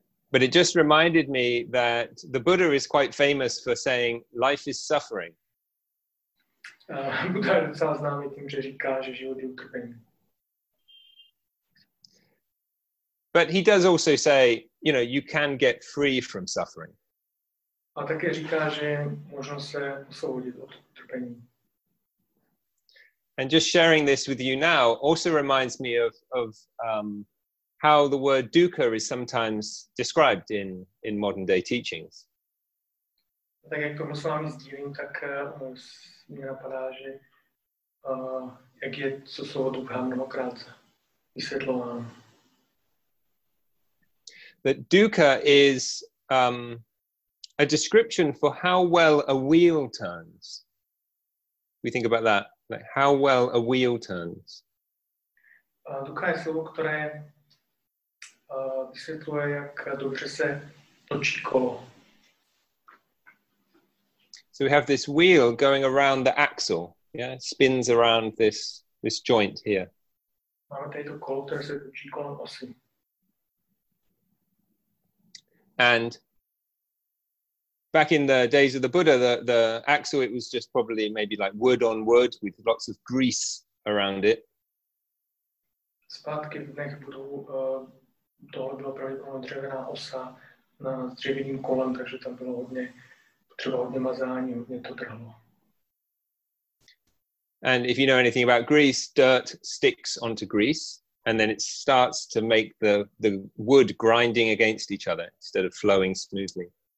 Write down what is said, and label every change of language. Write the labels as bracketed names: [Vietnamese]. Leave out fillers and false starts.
[English] But it just reminded me that the Buddha is quite famous for saying, life is suffering. [Czech] Buddha je docela známý tím, že říká, že život je utrpení. [English] But he does also say, you know, you can get free from suffering. [Czech] A také říká, že možno se osvobodit od trpení. [English] And just sharing this with you now also reminds me of how the word dukkha is sometimes described in modern day teachings. [Czech] A tak jak tomu s vámi sdílím, tak mi napadá, že jak je to slovo dukkha mnohokrát vysvětlováno. [English] That dukkha is a description for how well a wheel turns. We think about that, like how well a wheel turns. [Czech] Dukkha je slovo, které vysvětluje, jak dobře se točí kolo. [English] So we have this wheel going around the axle, yeah, it spins around this joint here. [Czech] Máme tady to kolo, které se točí kolem osy. [English] And back in the days of the Buddha, the axle, it was just probably maybe like wood on wood with lots of grease around it. [Czech] Zpátky v dnech budou, tohle byla pravděpodobně dřevěná osa na dřevěným kolem, takže tam bylo hodně, potřeba hodně mazání, hodně to drhlo. [English] And if you know anything about grease, dirt sticks onto grease. And then it starts to make the wood grinding against each other instead of flowing smoothly.